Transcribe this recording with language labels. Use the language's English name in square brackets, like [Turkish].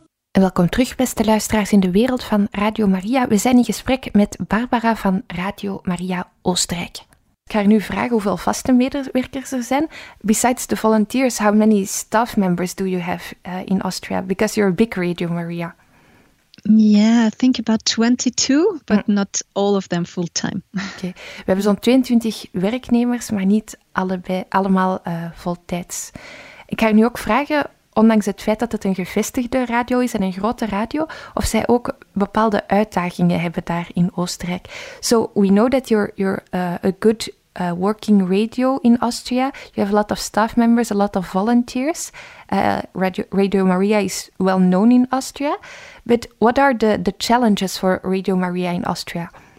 [Dutch] Welkom terug, beste luisteraars in de wereld van Radio Maria. We zijn in gesprek met Barbara van Radio Maria Oostenrijk. Ik ga haar nu vragen hoeveel vaste medewerkers er zijn. [English] Besides the volunteers, how many staff members do you have in Austria? Because you're a big Radio Maria. Yeah, I think about 22, but not all of them full-time. [Dutch] Oké, we hebben zo'n 22 werknemers, maar niet allemaal voltijds. Ik ga haar nu ook vragen... Ondanks het feit dat het een gevestigde radio is en een grote radio, of zij ook bepaalde uitdagingen hebben daar in Oostenrijk. [English] So we know that you're a good working radio in Austria. You have a lot of staff members, a lot of volunteers. Radio Maria is well known in Austria. But what are the challenges for Radio Maria in Austria?